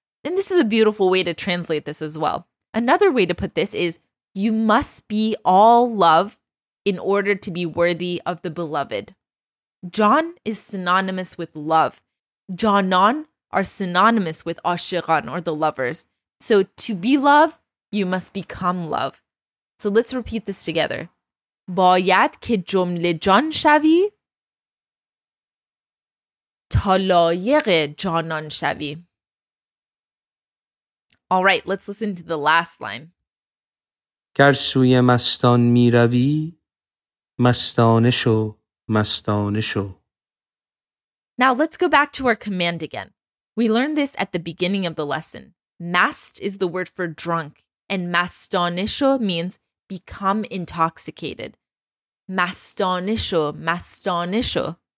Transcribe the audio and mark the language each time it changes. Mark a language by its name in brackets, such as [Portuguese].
[English] And this is a beautiful way to translate this as well. Another way to put this is, you must be all love in order to be worthy of the beloved. جان is synonymous with love. جانان are synonymous with عاشقان or the lovers. So to be love, you must become love. So let's repeat this together. [Persian] باید که جمله جان شوی تا لایق جانان شوی. [English] All right, let's listen to the last line. [Persian] گر سوی مستان می روی مستانه شو مستانه شو. [English] Now let's go back to our command again. We learned this at the beginning of the lesson. Mast is the word for drunk, and mastane sho means become intoxicated. [Persian] Mastane sho, mastane sho.